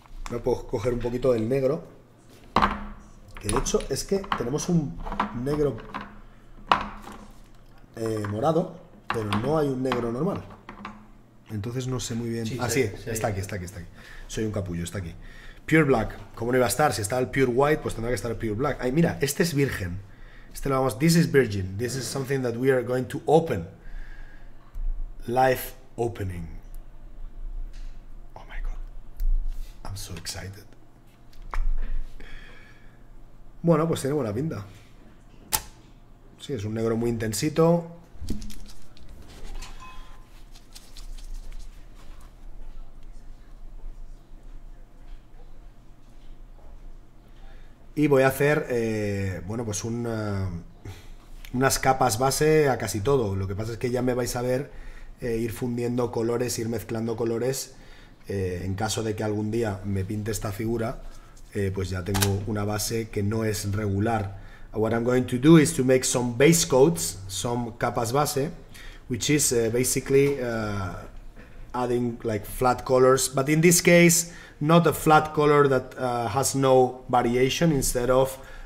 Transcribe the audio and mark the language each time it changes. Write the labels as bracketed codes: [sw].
[es] Me puedo coger un poquito del negro. Que de hecho es que tenemos un negro morado, pero no hay un negro normal. Entonces no sé muy bien. Sí, ah, sí, está aquí. Soy un capullo, está aquí. Pure Black, ¿cómo no iba a estar? Si está el Pure White, pues tendrá que estar el Pure Black. Ay, mira, este es virgen. Este lo vamos. [en] This is virgin. This is something that we are going to open. Life opening. Oh my god. I'm so excited. [es] Bueno, pues tiene buena pinta. Sí, es un negro muy intensito. Y voy a hacer, bueno, pues unas capas base a casi todo. Lo que pasa es que ya me vais a ver ir fundiendo colores, ir mezclando colores. En caso de que algún día me pinte esta figura, pues ya tengo una base que no es regular. [en] What I'm going to do is to make some base coats, some [es] capas base, [en] which is basically adding like flat colors, but in this case not a flat color that has no variation, instead of